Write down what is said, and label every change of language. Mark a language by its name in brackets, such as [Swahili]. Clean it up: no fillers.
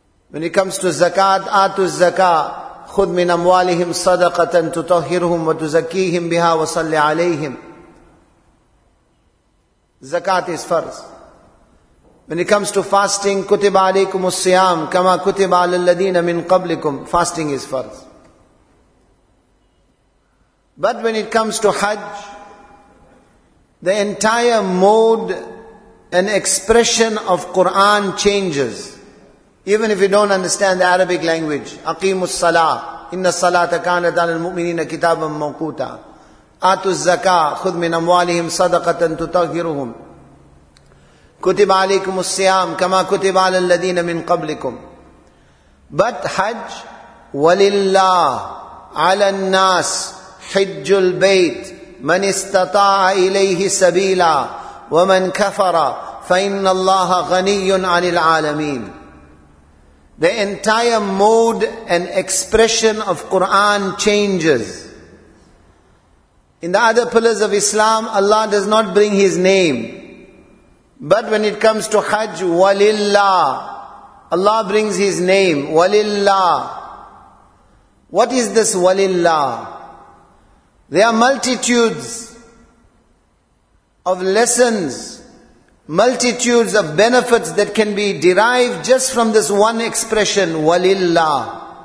[English] When it comes to zakat, atu zakah, [Arabic] خُدْ مِنْ أَمْوَالِهِمْ صَدَقَةً تُطَهِّرْهُمْ وَتُزَكِّيهِمْ بِهَا وَصَلِّ عَلَيْهِمْ. [English] Zakat is farz. When it comes to fasting, [Arabic] كُتِبَ عَلَيْكُمُ الصِّيَامُ كَمَا كُتِبَ عَلَى الَّذِينَ مِنْ قَبْلِكُمْ. [English] Fasting is farz. But when it comes to Hajj, the entire mode an expression of Quran changes. Even if you don't understand the Arabic language, [Arabic] أَقِيمُ الصَّلَاةِ إِنَّ الصَّلَاةَ كَانَتْ عَلَى الْمُؤْمِنِينَ كِتَابًا مَوْقُوتًا آتُ الزَّكَاةِ خُذْ مِنْ أَمْوَالِهِمْ صَدَقَةً تُطَهِّرُهُمْ كُتِبَ عَلَيْكُمُ الصِّيَامُ كَمَا كُتِبَ عَلَى الَّذِينَ مِنْ قَبْلِكُمْ [English] But Hajj, [Arabic] وَلِلَّهِ عَلَى النَّاسِ حِجُّ الْبَيْتِ مَنِ اسْتَطَاعَ إِلَيْهِ سَبِيلًا وَمَنْ كَفَرَ فَإِنَّ اللَّهَ غَنِيٌّ عَنِ الْعَالَمِينَ [English] The entire mode and expression of Quran changes. In the other pillars of Islam, Allah does not bring His name. But when it comes to Hajj, Walillah, Allah brings His name, Walillah. What is this Walillah? There are multitudes of lessons, multitudes of benefits that can be derived just from this one expression, Walillah.